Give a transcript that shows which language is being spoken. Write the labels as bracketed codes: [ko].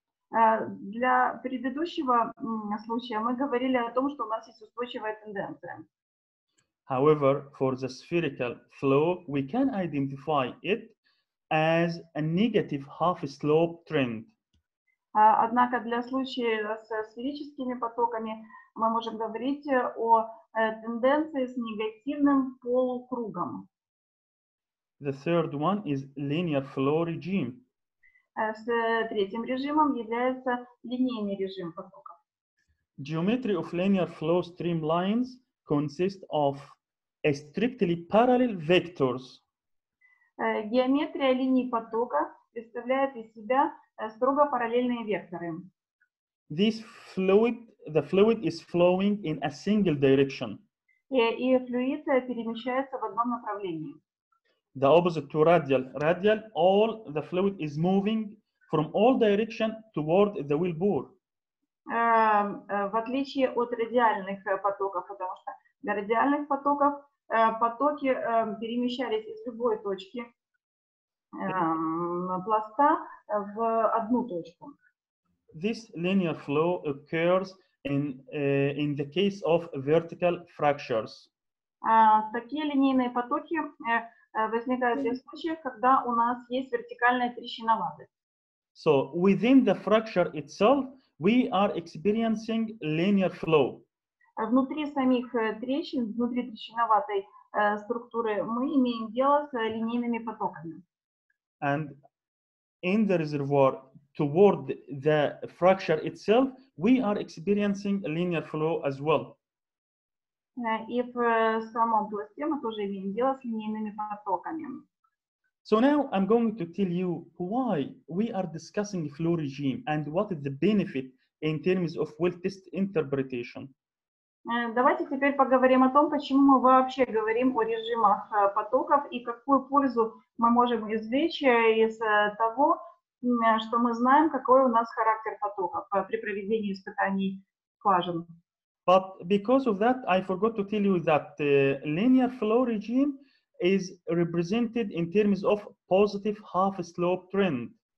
[ru] Для предыдущего случая мы говорили о том, что у нас есть устойчивая тенденция. [en] However, for the spherical flow, we can identify it as a negative half-slope trend. [ru] Однако для случая с сферическими потоками мы можем говорить о тенденции с негативным полукругом. [en] The third one is linear flow regime. [ru] С третьим режимом является линейный режим потоков. [en] Geometry of linear flow streamlines consists of a strictly parallel vectors. [ru] Геометрия линий потока представляет из себя строго параллельные векторы. [en] This fluid, the fluid is flowing in a single direction. [ru] И флюид перемещается в одном направлении. [en] The opposite to radial. Radial, all the fluid is moving from all directions toward the wheel bore. [ru] В отличие от радиальных потоков, потому что для радиальных потоков потоки перемещались из любой точки пласта в одну точку. [en] This linear flow occurs in the case of vertical fractures. [ru] Такие линейные потоки возникают в случаях, когда у нас есть вертикальная трещина лады. [en] So within the fracture itself, we are experiencing linear flow. [ru] Внутри самих трещин, внутри трещиноватой структуры, мы имеем дело с линейными потоками. [en] And in the reservoir toward the fracture itself, we are experiencing linear flow as well. [ru] И в самом пласте мы тоже имеем дело с линейными потоками. [en] So now I'm going to tell you why we are discussing flow regime and what is the benefit in terms of well test interpretation. [ru] Давайте теперь поговорим о том, почему мы вообще говорим о режимах потоков и какую пользу мы можем извлечь из того, что мы знаем, какой у нас характер потоков при проведении испытаний скважин. [en] But because of that, I forgot to tell you that the linear flow regime is represented in terms of positive half-slope trend.